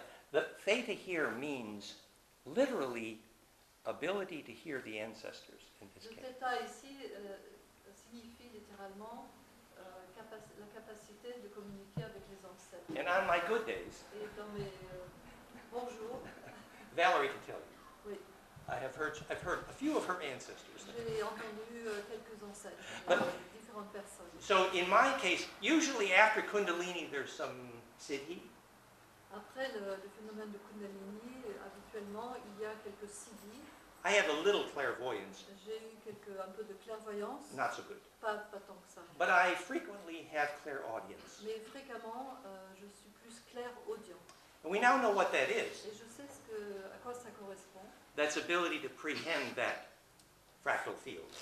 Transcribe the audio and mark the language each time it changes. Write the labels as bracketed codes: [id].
[en] The theta here means literally ability to hear the ancestors in this case. [fr] Le theta ici signifie littéralement la capacité de communiquer avec les ancêtres. [en] And on my good days. [fr] Et dans mes bons jours. [en] Valerie can tell you. [fr] Oui. [en] I've heard a few of her ancestors. [fr] J'ai entendu quelques ancêtres, différentes personnes. [en] So in my case, usually after Kundalini, there's some siddhi. [fr] Après le phénomène de Kundalini, habituellement, il y a quelques siddhi. [en] I have a little clairvoyance. [fr] J'ai eu un peu de clairvoyance. [en] Not so good. [fr] Pas tant que ça. [en] But I frequently have clairaudience. [fr] Mais fréquemment, je suis plus clairaudient. [en] And we now know what that is. [fr] Et je sais à quoi ça correspond. [en] That's ability to prehend that fractal field.